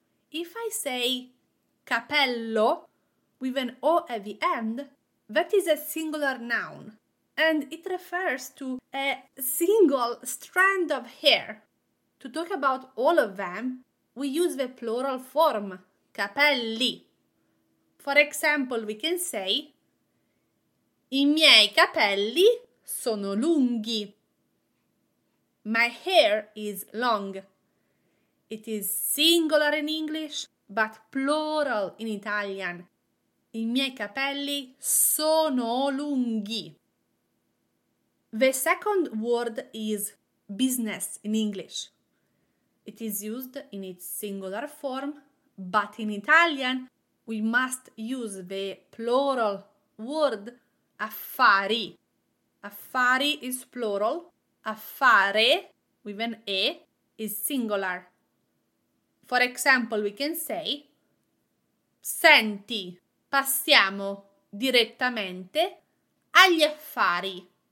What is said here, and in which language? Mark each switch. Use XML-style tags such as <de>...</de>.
<en>If I say capello with an O at the end, that is a singular noun, and it refers to a single strand of hair. To talk about all of them, we use the plural form, capelli. For example, we can say,</en> <it>I miei capelli sono lunghi.</it> <en>My hair is long. It is singular in English, but plural in Italian.</en> <it>I miei capelli sono lunghi.</it> <en>The second word is business in English. It is used in its singular form, but in Italian we must use the plural word affari. Affari is plural, affare with an E is singular. For example, we can say,</en> <it>senti, passiamo direttamente agli affari.</it>